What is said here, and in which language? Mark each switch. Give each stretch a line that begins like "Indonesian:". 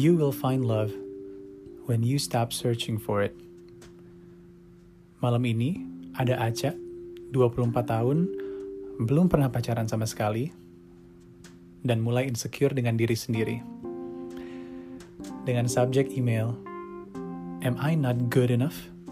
English: You will find love when you stop searching for it.
Indonesian: Malam ini ada Aca, 24 tahun, belum pernah pacaran sama sekali, dan mulai insecure dengan diri sendiri. Dengan subjek email,
English: Am I not good enough?